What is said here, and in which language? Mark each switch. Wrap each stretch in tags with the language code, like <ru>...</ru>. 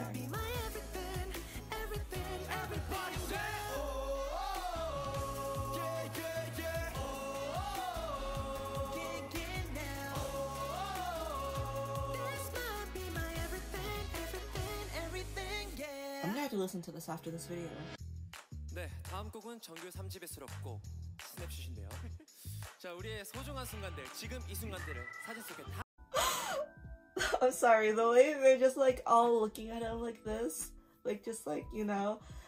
<en>I'm gonna have to listen to this after this video.</en> <ko>네, 다음 곡은 정규 3집에 수록곡 스냅슛인데요. 자, 우리의 소중한 순간들, 지금 이 순간들을 사진 속에 다</ko> <en>I'm sorry, the way they're just like all looking at him like this, like just like, you know.</en>